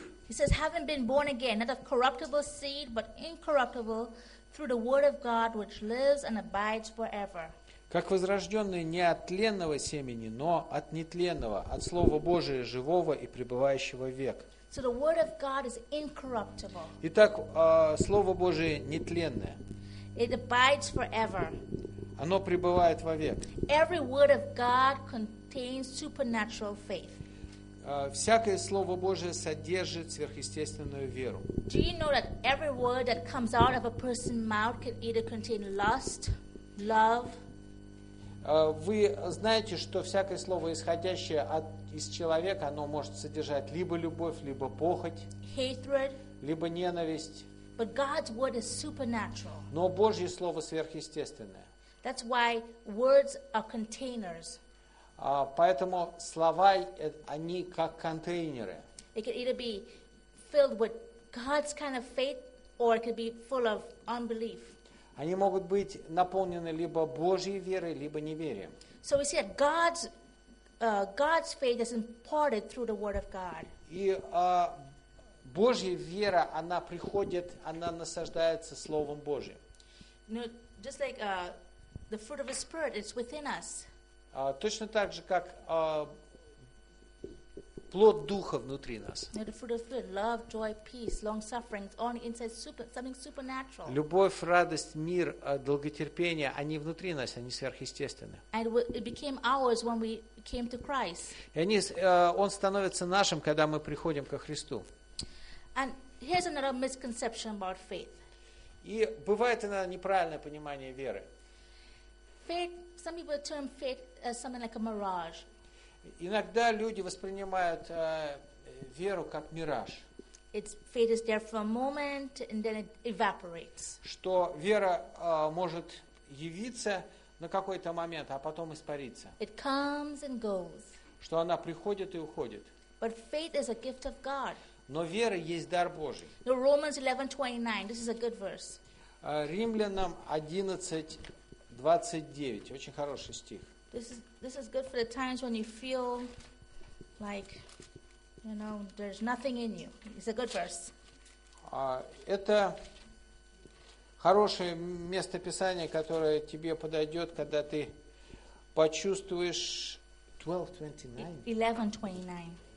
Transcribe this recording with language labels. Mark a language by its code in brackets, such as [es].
[en] He says, having been born again, not of corruptible seed, but incorruptible, through the word of God, which lives and abides forever. [ru] Как возрожденные не от тленного семени, но от нетленного, от Слова Божия, живого и пребывающего век. [en] So the word of God is incorruptible. [ru] Итак, Слово Божие нетленное. [en] It abides forever. [ru] Оно пребывает вовек. [en] Every word of God contains supernatural faith. [ru] Всякое Слово Божие содержит сверхъестественную веру. [en] Do you know that every word that comes out of a person's mouth can either contain lust, love? [ru] Вы знаете, что всякое слово, исходящее из человека, оно может содержать либо любовь, либо похоть, [en] hatred, [ru] либо ненависть. [en] But God's word is supernatural. [ru] Но Божье Слово сверхъестественное. [en] That's why words are containers. [ru] Поэтому слова, они как контейнеры. [en] It could either be filled with God's kind of faith, or it could be full of unbelief. [ru] Они могут быть наполнены либо Божьей верой, либо неверием. [en] So we see that God's faith is imparted through the word of God. [ru] И Божья вера, она приходит, она насаждается Словом Божьим. [en] No, just like the fruit of the Spirit, it's within us. [ru] Точно так же, как плод Духа внутри нас. [en] Now the fruit of the Spirit, love, joy, peace, long-suffering, it's on the inside, something supernatural. [ru] Любовь, радость, мир, долготерпение, они внутри нас, они сверхъестественны. [en] And it became ours when we came to Christ. [ru] И они, он становится нашим, когда мы приходим ко Христу. [en] And here's another misconception about faith. [ru] И бывает иногда неправильное понимание веры. [en] Faith, some people term faith as something like a mirage. [ru] Иногда люди воспринимают веру как мираж. [en] It's faith is there for a moment and then it evaporates. [ru] Что вера может явиться на какой-то момент, а потом испариться. [en] It comes and goes. [ru] Что она приходит и уходит. [en] But faith is a gift of God. [ru] Но вера есть дар Божий. [en] Now, Romans 11:29. This is a good verse. [ru] Римлянам 11:29. 29. Очень хороший стих. [en] This is good for the times when you feel like, you know, there's nothing in you. It's a good verse. [ru] Это хорошее место писания, которое тебе подойдет, когда ты почувствуешь 11:29.